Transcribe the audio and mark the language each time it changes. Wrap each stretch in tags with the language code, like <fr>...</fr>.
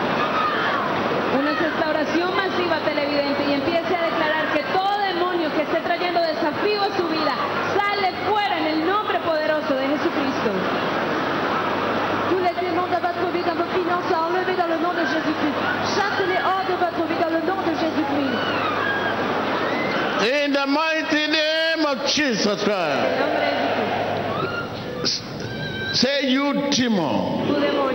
<es>Una restauración masiva, televidente, y empiece a declarar que todo demonio que esté trayendo desafío a su vida sale fuera en el nombre poderoso de Jesucristo.</es> <fr>Tous les démons de votre vie dans vos finances sont enlevés dans le nom de Jésus-Christ. Chassez-les hors de votre vie dans le nom de Jésus-Christ.</fr> <en>In the mighty name of Jesus Christ. Say you demon.</en>